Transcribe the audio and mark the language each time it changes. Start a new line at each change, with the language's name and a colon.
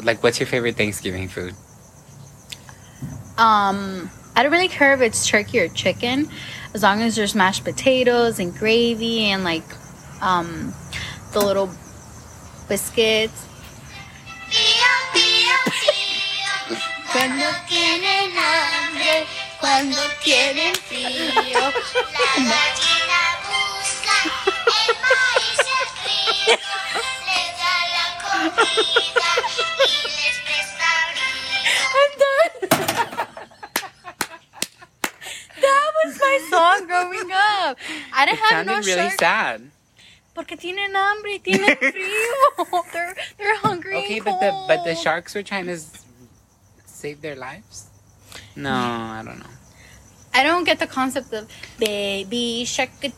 English: Like, what's your favorite Thanksgiving food? I don't really care if it's turkey or chicken. As long as there's mashed potatoes and gravy and, like, the little biscuits.
Spanish: Pío, pío, pío. Cuando tienen hambre, cuando tienen frío. La gallina busca el maíz el frío. Le da la comida y les presta abrigo.
English: I'm done. That was my song growing up. I didn't have no really shark. Sad.
Spanish: Porque tienen hambre, tienen frío.
English: They're hungry. Okay, cold. But the sharks were trying to save their lives? No, I don't know. I don't get the concept of baby shark.